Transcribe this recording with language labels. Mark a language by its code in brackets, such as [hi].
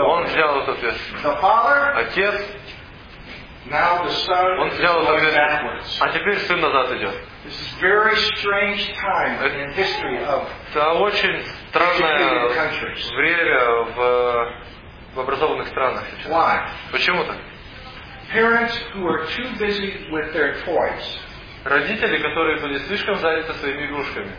[ru] Он взял эту ответственность. [en] The father, [ru] отец, [en] now the son, [ru] он взял эту ответственность. А теперь сын назад идет. [en] This is very strange time in history of [ru] это очень странное время в образованных странах. [en] Why? [ru] Почему так? [en] Parents who are too busy with their toys. [ru] Родители, которые были слишком заняты своими игрушками,